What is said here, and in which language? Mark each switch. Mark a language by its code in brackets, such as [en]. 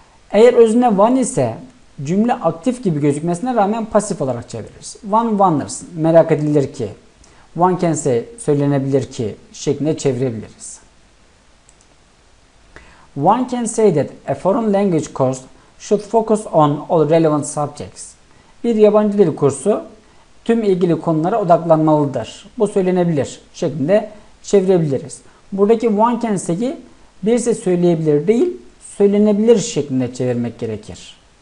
[tr] Eğer özne one ise cümle aktif gibi gözükmesine rağmen pasif olarak çeviririz. [en] One wonders, [tr] merak edilir ki, [en] one can say, [tr] söylenebilir ki şeklinde çevirebiliriz. [en] One can say that a foreign language course should focus on all relevant subjects. [tr] Bir yabancı dil kursu tüm ilgili konulara odaklanmalıdır. Bu söylenebilir şeklinde çevirebiliriz. Buradaki one can say'i birisi söyleyebilir değil, söylenebilir şeklinde çevirmek gerekir.